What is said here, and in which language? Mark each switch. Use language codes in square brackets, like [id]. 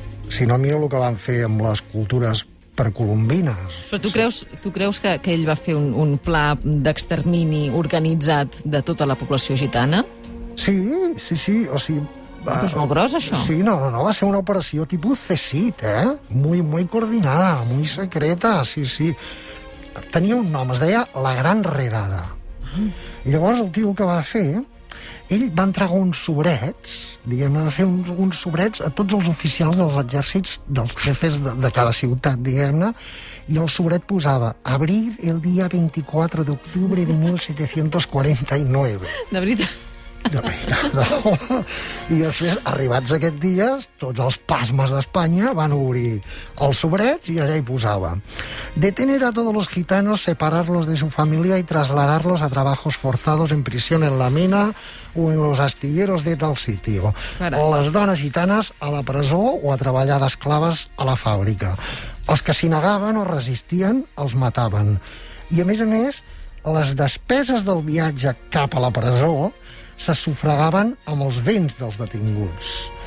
[ca] Si no, mira el que van fer amb les cultures precolombines. Però tu creus, que ell va fer un pla d'extermini organitzat de tota la població gitana? Sí, sí, sí. O sigui, va, però és molt gros, això. Sí, no, no, no, va ser una operació tipus CSIC, eh? [es] Muy, muy coordinada, muy secreta, sí, sí. [ca] Tenia un nom, es deia La Gran Redada. I llavors el tio que va fer, ell va entregar uns sobrets, diguem-ne, va fer uns sobrets a tots els oficials dels exèrcits, dels jefes de cada ciutat, diguem-ne, i el sobret posava abrir el dia 24 d'octubre de 1749. De veritat? De veritat, no? I després, arribats aquests dies, tots els pasmes d'Espanya van obrir els sobrets i allà hi posava. [es] Detener a todos los gitanos, separarlos de su familia y trasladarlos a trabajos forzados en prisión en la mina o en los astilleros de tal sitio. [ca] O les dones gitanes a la presó o a treballar d'esclaves a la fàbrica. Els que s'hi negaven o resistien els mataven. I, a més, les despeses del viatge cap a la presó se sufragaven amb els béns dels detinguts.